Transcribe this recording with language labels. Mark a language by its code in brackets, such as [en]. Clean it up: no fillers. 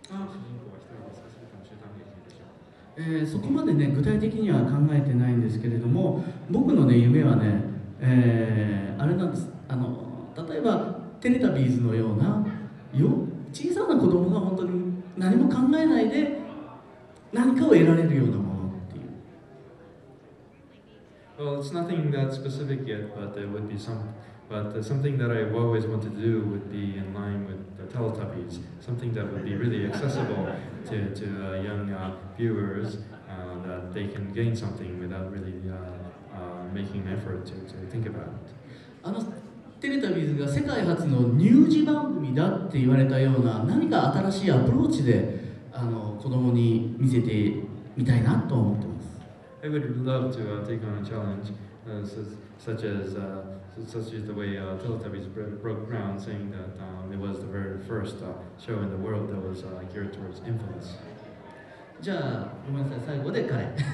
[ja] そこまでね具体的には考えてないんですけれども、僕のね夢はね、あれなんです、例えばテレタビーズのようなよ小さな子供が本当に何も考えないで何かを得られるようなものっていう。 [en] Well, it's nothing that specific yet, but it would be something that I've always wanted to do would be in line with the Teletubbies, something that would be really accessible to young viewers, that they can gain something without really making an effort to think about [ja] it. Teletubbies が世界初の乳児番組だって言われたような何か新しいアプローチで子供に見せてみたいなと思ってます。 [en] I would love to take on a challenge such as the way Teletubbies broke ground, saying that it was the very first show in the world that was geared towards infants. [ja] じゃあ、ごめんなさい、最後で彼。